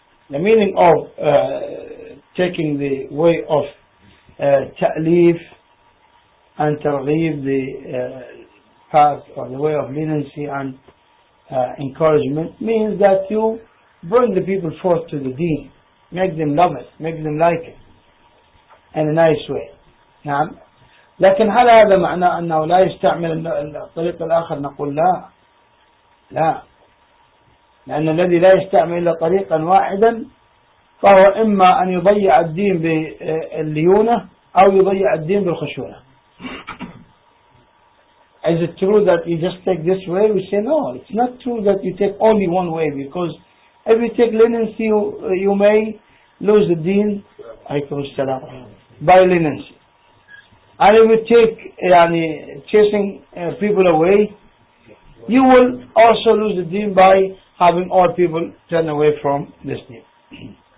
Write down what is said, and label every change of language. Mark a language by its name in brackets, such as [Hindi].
[English] The meaning of taking the way of تأليف and ترغيب the path or the way of leniency and encouragement means that you bring the people forth to the deen, make them love it, make them like it in a nice way. [Arabic] نعم. لكن هل هذا معنى أنه لا يستعمل الطريق الآخر؟ نقول لا لا, لأن الذي لا يستعمل إلا طريقا واحدا فهو إما أن يضيع الدين بالليونة أو يضيع الدين بالخشونة. [English] Is it true that you just take this way? We say no, it's not true that you take only one way, because if you take leniency you may lose the deen by leniency, and if you take chasing people away you will also lose the deen by having all people turn away from this deen.